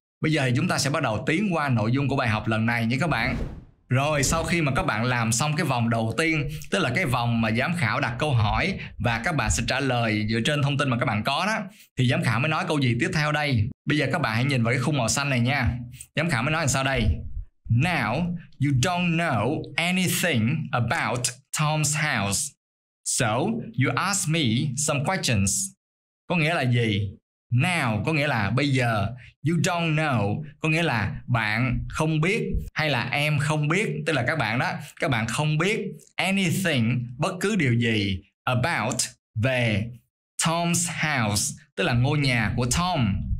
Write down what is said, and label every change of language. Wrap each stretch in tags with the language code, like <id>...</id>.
<vi>Bây giờ thì chúng ta sẽ bắt đầu tiến qua nội dung của bài học lần này nha các bạn. Rồi sau khi mà các bạn làm xong cái vòng đầu tiên, tức là cái vòng mà giám khảo đặt câu hỏi và các bạn sẽ trả lời dựa trên thông tin mà các bạn có đó, thì giám khảo mới nói câu gì tiếp theo đây? Bây giờ các bạn hãy nhìn vào cái khung màu xanh này nha. Giám khảo mới nói làm sao đây?</vi> <en>Now you don't know anything about Tom's house, so you ask me some questions.</en> <vi>Có nghĩa là gì? Now có nghĩa là bây giờ.</vi> <en>You don't know</en> <vi>có nghĩa là bạn không biết, hay là em không biết, tức là các bạn đó, các bạn không biết anything, bất cứ điều gì about, về Tom's house, tức là ngôi nhà của Tom.</vi>